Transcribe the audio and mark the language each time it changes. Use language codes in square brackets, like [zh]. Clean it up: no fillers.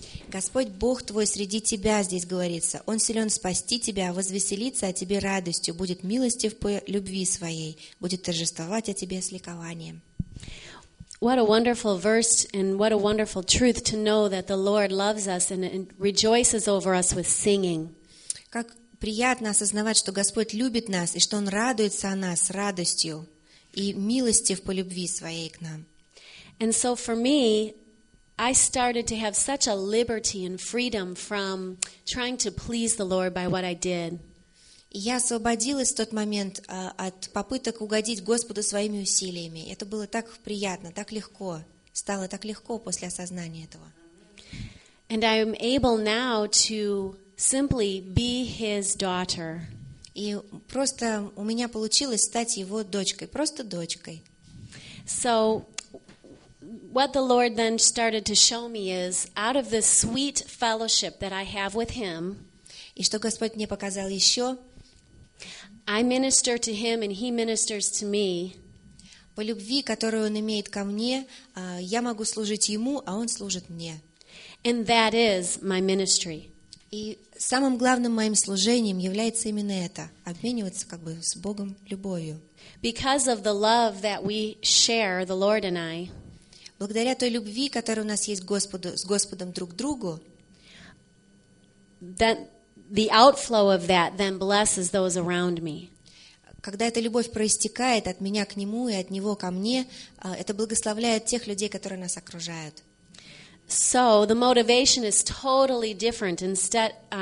[ru] Господь Бог твой среди тебя, здесь говорится. Он силен спасти тебя, возвеселиться о тебе радостью, будет милостив по любви своей, будет торжествовать о тебе с ликованием. [en] What a wonderful verse and what a wonderful truth to know that the Lord loves us and rejoices over us with singing. [ru] Как приятно осознавать, что Господь любит нас и что Он радуется о нас радостью и милостив по любви своей к нам. [en] And so for me, I started to have such a liberty and freedom from trying to please the Lord by what I did. [ru] Я освободилась в тот момент от попыток угодить Господу своими усилиями. Это было так приятно, так легко. Стало так легко после осознания этого. [en] And I am able now to simply be his daughter. [ru] И просто у меня получилось стать его дочкой, просто дочкой. [en] So what the Lord then started to show me is out of this sweet fellowship that I have with him. [ru] И что Господь мне показал еще? [en] I minister to him and he ministers to me. [ru] По любви, которую он имеет ко мне, я могу служить ему, а он служит мне. [en] And that is my ministry. [ru] И самым главным моим служением является именно это, обмениваться как бы с Богом любовью. [en] Because of the love that we share, the Lord and I. [ru] Благодаря той любви, которая у нас есть с Господом друг другу, [en] The outflow of that then blesses those around me. [ru] Когда эта любовь проистекает от меня к нему и от него ко мне, это благословляет тех людей, которые нас окружают. [en] So the motivation is totally different. Instead,